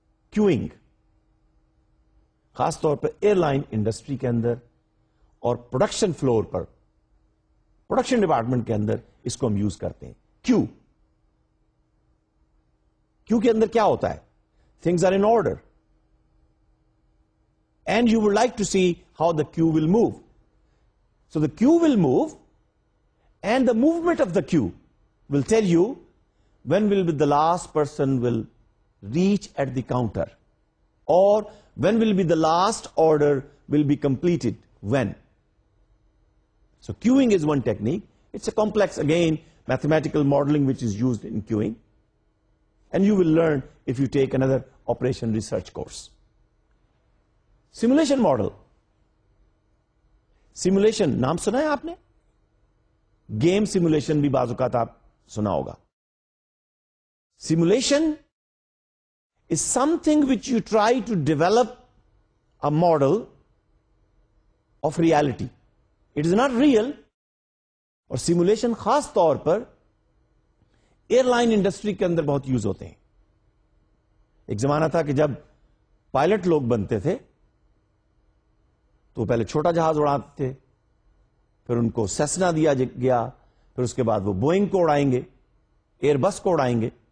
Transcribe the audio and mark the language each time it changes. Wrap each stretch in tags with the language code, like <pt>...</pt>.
<ur>Queuing خاص طور per air line industry کے اندر اور پروڈکشن فلور پر پروڈکشن ڈپارٹمنٹ کے اندر اس کو ہم یوز کرتے ہیں. کیوں؟ کیوں کے اندر کیا ہوتا ہے؟</ur> <en>Things are in order and you would like to see how the queue will move. So the queue will move and the movement of the queue will tell you when will be the last person will reach at the counter or when will be the last order will be completed when. So queuing is one technique. It's a complex, again, mathematical modeling which is used in queuing. And you will learn if you take another operation research course. Simulation model.</en> <ur>Simulation نام سنا ہے آپ نے؟ Game simulation بھی بعض اوقات آپ سنا ہوگا.</ur> <en>Simulation is some thing which you try to develop a model of reality. It is not real.</en> <ur>اور سیمولیشن خاص طور پر ایئر لائن انڈسٹری کے اندر بہت یوز ہوتے ہیں. ایک زمانہ تھا کہ جب پائلٹ لوگ بنتے تھے تو پہلے چھوٹا جہاز اڑاتے تھے, پھر ان کو سیسنا دیا گیا, پھر اس کے بعد وہ بوئنگ کو اڑائیں گے, ایئر بس کو اڑائیں گے.</ur>